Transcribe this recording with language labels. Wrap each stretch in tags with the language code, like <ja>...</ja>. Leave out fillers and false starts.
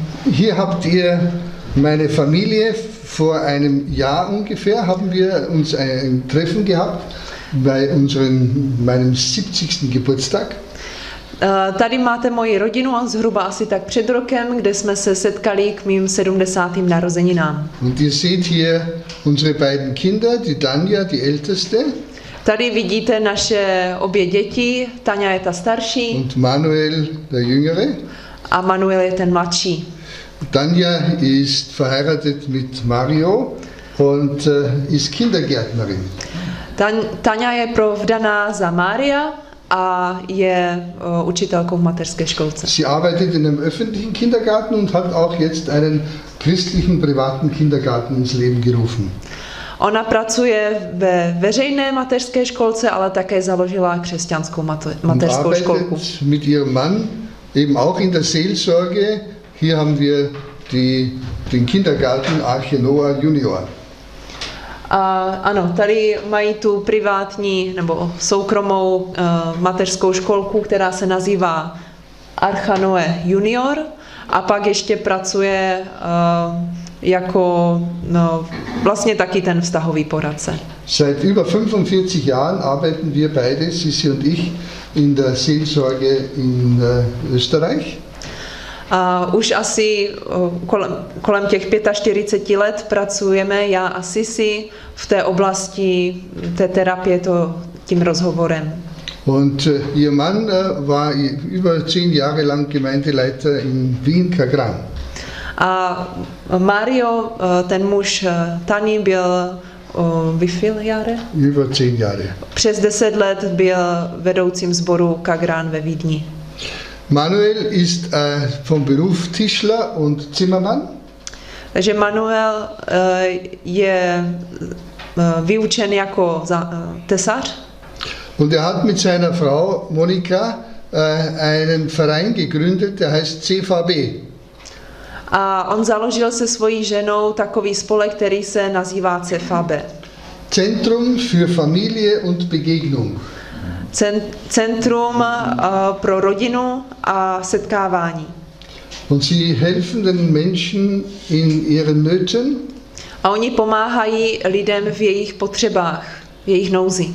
<de>Hier habt ihr meine Familie. Vor einem Jahr ungefähr haben wir uns ein Treffen gehabt bei meinem 70. Geburtstag.</de> <cs>Tady máte moji rodinu a zhruba asi tak před rokem, kde jsme se setkali k mým 70. narozeninám.</cs> <de>Und ihr seht hier unsere beiden Kinder, die Tanja, die älteste.</de> <cs>Tady vidíte naše obě děti, Tanja je ta starší.</cs> <de>Und Manuel, der jüngere.</de> <cs>A Manuel je ten mladší.</cs> <de>Tanja ist verheiratet mit Mario und ist Kindergärtnerin.</de> <cs>Tanja je provdaná za Maria a je učitelkou v mateřské školce.</cs> <de>Sie arbeitet in einem öffentlichen Kindergarten und hat auch jetzt einen christlichen privaten Kindergarten ins Leben gerufen.</de> <cs>Ona pracuje ve veřejné mateřské školce, ale také založila křesťanskou mateřskou školku.</cs> <de>Und arbeitet mit ihrem Mann eben auch in der Seelsorge. Hier haben wir den Kindergarten Arche Noah Junior.</de> <cs>Ano, tady mají tu privátní nebo soukromou mateřskou školku, která se nazývá Arche Noah Junior, a pak ještě pracuje jako vlastně taky ten vztahový poradce.</cs> <de>Seit über 45 Jahren arbeiten wir beide, Sisi und ich, in der Seelsorge in Österreich.</de> <cs>Už asi kolem těch 45 let pracujeme já a Sisi v té oblasti té terapie tím rozhovorem.</cs> <de>Und ihr Mann war über 10 Jahre lang Gemeindeleiter in Wien Kagran.</de> <cs>A Mario, ten muž Tani, byl</cs> <de>wieviel Jahre? Über 10 Jahre.</de> <cs>Přes 10 let byl vedoucím sboru Kagran ve Vídni.</cs> <de>Manuel ist vom Beruf Tischler und Zimmermann.</de> <cs>Takže Manuel je vyučen jako tesař.</cs> <de>Und er hat mit seiner Frau Monika einen Verein gegründet, der heißt CVB.</de> <cs>A on založil se svojí ženou takový spolek, který se nazývá CEFABE.</cs> <de>Centrum für Familie und Begegnung.</de> <cs>Centrum pro rodinu a setkávání.</cs> <de>Und sie helfen den Menschen in ihren Nöten.</de> <cs>A oni pomáhají lidem v jejich potřebách, v jejich nouzi.</cs>